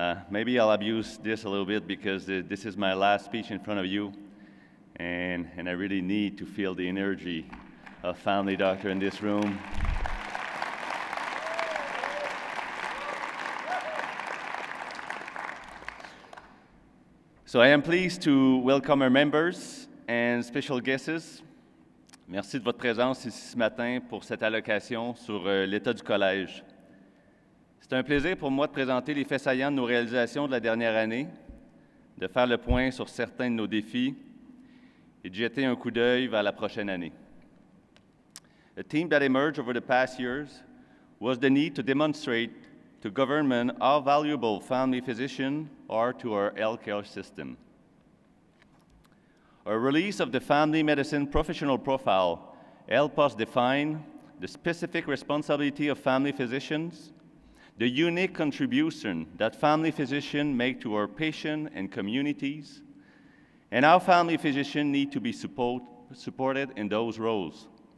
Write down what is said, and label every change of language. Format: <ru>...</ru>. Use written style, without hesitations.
<en>Maybe I'll abuse this a little bit because this is my last speech in front of you, and I really need to feel the energy of family doctor in this room. So I am pleased to welcome our members and special guests.</en> <fr>Merci de votre présence ici ce matin pour cette allocation sur l'état du collège. C'est un plaisir pour moi de présenter les faits saillants de nos réalisations de la dernière année, de faire le point sur certains de nos défis et de jeter un coup d'œil vers la prochaine année.</fr> <en>A theme that emerged over the past years was the need to demonstrate to government how valuable family physicians are to our healthcare system. Our release of the Family Medicine Professional Profile helped us define the specific responsibility of family physicians, the unique contribution that family physicians make to our patients and communities, and how family physicians need to be supported in those roles.</en>